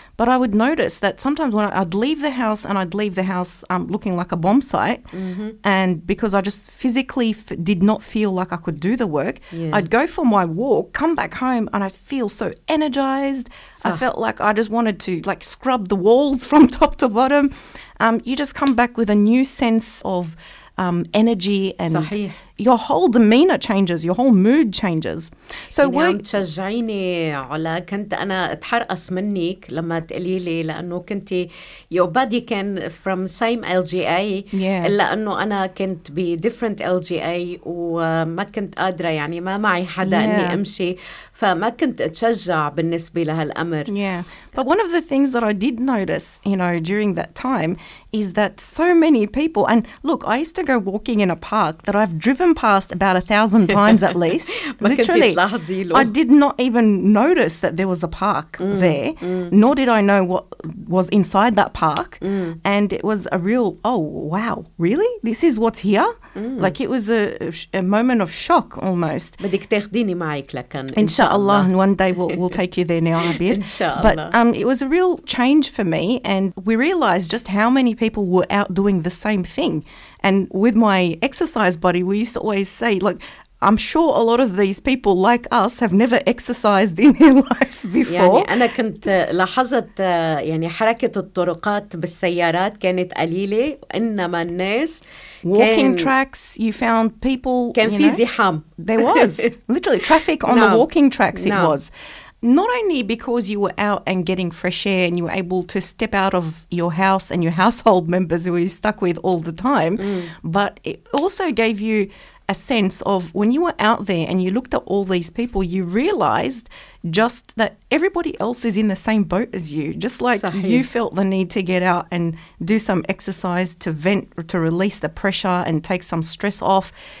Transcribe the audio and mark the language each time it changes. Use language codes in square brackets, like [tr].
[en] But I would notice that sometimes when I'd leave the house, and I'd leave the house looking like a bomb site, and because I just physically did not feel like I could do the work, I'd go for my walk, come back home, and I'd feel so energized. I felt like I just wanted to like scrub the walls from top to bottom. You just come back with a new sense of energy and your whole demeanor changes, your whole mood changes. [ar] So يعني عم تشجعيني على كنت أنا أتحرقص منك لما تقلي لي لأنه كنت [en] your body can from same LGA [ar] إلا أنه أنا كنت ب [en] different LGA [ar] وما كنت قادرة يعني ما معي حدا أني أمشي فما كنت أتشجع بالنسبة لهالأمر. [en] But one of the things that I did notice, you know, during that time is that so many people, and look, I used to go walking in a park that I've driven past about 1,000 times at least. Literally, I did not even notice that there was a park there, nor did I know what was inside that park. And it was a real, oh, wow, really? This is what's here? Like it was a moment of shock almost. Inshallah, and one day we'll take you there now, Abid. Inshallah. But it was a real change for me, and we realized just how many people were out doing the same thing. And with my exercise body, we used to always say, like, I'm sure a lot of these people like us have never exercised in their life before. [ar] يعني أنا كنت لاحظت يعني حركة الطرقات بالسيارات كانت قليلة إنما الناس [en] walking tracks, you found people [ar] كان في زحام. [en] There was literally traffic on the walking tracks. It was not only because you were out and getting fresh air and you were able to step out of your house and your household members who you stuck with all the time, but it also gave you a sense of when you were out there and you looked at all these people, you realized just that everybody else is in the same boat as you, just like you felt the need to get out and do some exercise to vent, to release the pressure and take some stress off.